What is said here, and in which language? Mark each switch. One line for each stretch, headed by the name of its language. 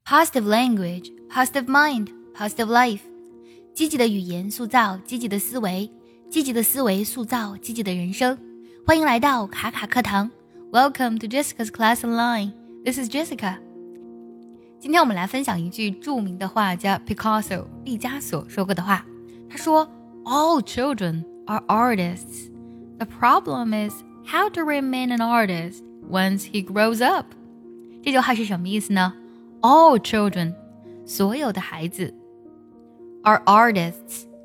English: Positive language, positive mind, positive life.
Chinese: 积极的语言塑造积极的思维，积极的思维塑造积极的人生。欢迎来到卡卡课堂。
English: Welcome to Jessica's Class Online. This is Jessica.
Chinese: 今天我们来分享一句著名的画家 Picasso, 毕加索说过的话。他说
English: All children are artists. The problem is how to remain an artist once he grows up.
Chinese: 这句话是什么意思呢？
English: All children,
Chinese: 所有的孩子
English: are artists.